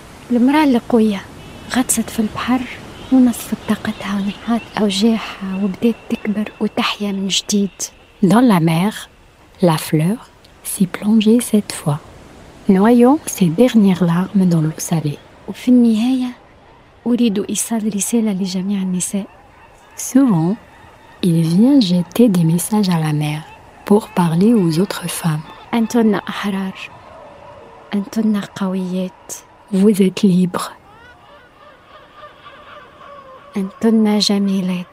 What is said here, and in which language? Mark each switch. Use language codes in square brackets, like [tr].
[ar] المرأة القوية غطست في البحر ونصفت طاقتها ونحات أوجاعها وبدأت تكبر وتحيا من جديد. [fr] Dans la mer, la fleur s'est plongée cette fois, noyant ses dernières larmes dans l'eau salée. [ar] وفي النهاية أريد إيصال رسالة لجميع النساء. [fr] Souvent, il vient jeter des messages à la mer pour parler aux autres femmes. [ar] أنتن أحرار. أنتن قويات. [fr] Vous êtes libres. [ar] أنتن جميلات.